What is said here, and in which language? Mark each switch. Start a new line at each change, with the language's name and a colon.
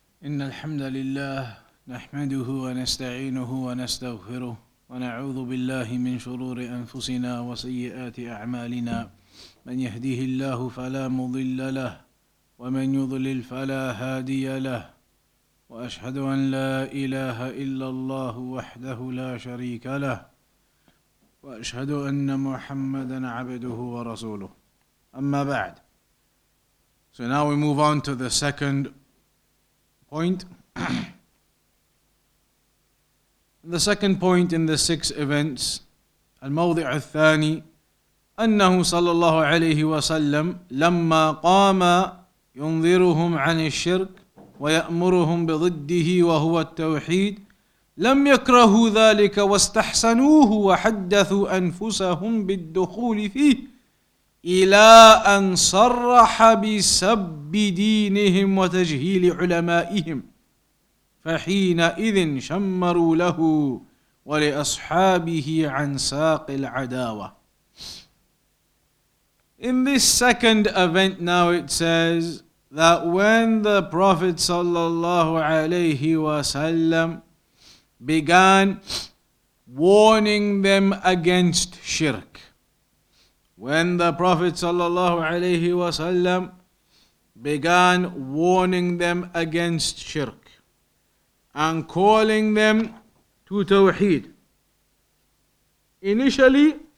Arabic: إن الحمد لله نحمده ونستعينه ونستغفره ونعوذ بالله من شرور أنفسنا وسيئات أعمالنا من يهديه الله فلا مضل له ومن يضلل فلا هادي له وأشهد أن لا إله إلا الله وحده لا شريك له وأشهد أن محمدًا عبده ورسوله أما بعد.
English: So now we move on to the second point. The second point in the six events,
Arabic: الموضع الثاني أنه صلى الله عليه وسلم لما قام ينذرهم عن الشرك ويأمرهم بضده وهو التوحيد لم يكرهوا ذلك واستحسنوه وحدثوا أنفسهم بالدخول فيه إلى أن صرح بسب دينهم وتجهيل علمائهم فحينئذ شمروا له ولأصحابه عن ساق العداوة.
English: In this second event now it says that when the Prophet sallallahu alayhi wasallam began warning them against shirk, when the Prophet sallallahu alayhi wasallam began warning them against shirk and calling them to tawheed, initially